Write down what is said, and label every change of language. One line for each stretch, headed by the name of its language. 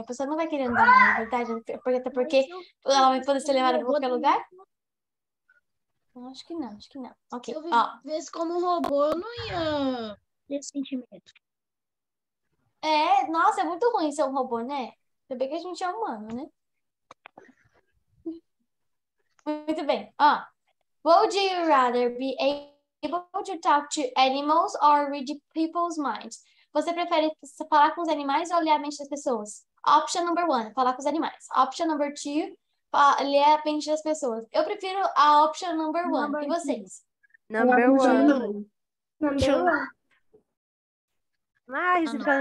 Portuguese: A pessoa não vai querer andar, na verdade. Até porque ela vai poder ser levada para qualquer lugar. Acho que não. Ok. Se eu vivesse como um robô, eu não ia ter sentimento. É, nossa, é muito ruim ser um robô, né? Ainda bem que a gente é humano, né? Muito bem.
English: Would you rather be able to talk to animals or read people's minds?
Portuguese: Você prefere falar com os animais ou ler a mente das pessoas?
English: Option number one,
Portuguese: falar com os animais.
English: Option number two...
Portuguese: Ler a mente das pessoas. Eu prefiro a
English: option number one.
Portuguese: E vocês?
English: Number one.
Portuguese: Mas